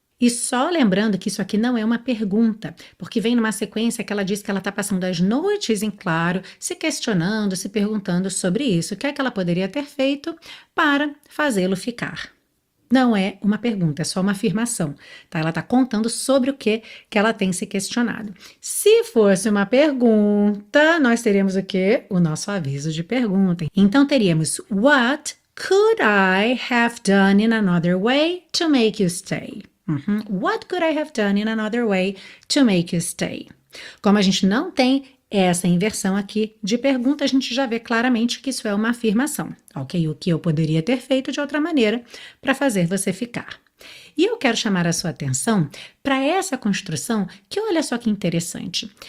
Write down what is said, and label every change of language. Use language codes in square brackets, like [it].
[pt] E só lembrando que isso aqui não é uma pergunta, porque vem numa sequência que ela diz que ela está passando as noites em claro, se questionando, se perguntando sobre isso. O que é que ela poderia ter feito para fazê-lo ficar? Não é uma pergunta, é só uma afirmação, tá? Ela está contando sobre o que ela tem se questionado. Se fosse uma pergunta, nós teríamos o quê? O nosso aviso de pergunta. Então teríamos [en] What could I have done in another way to make you stay? What could I have done in another way to make you stay? [pt] Como a gente não tem essa inversão aqui de pergunta, a gente já vê claramente que isso é uma afirmação, ok? O que eu poderia ter feito de outra maneira para fazer você ficar. E eu quero chamar a sua atenção para essa construção que olha só que interessante.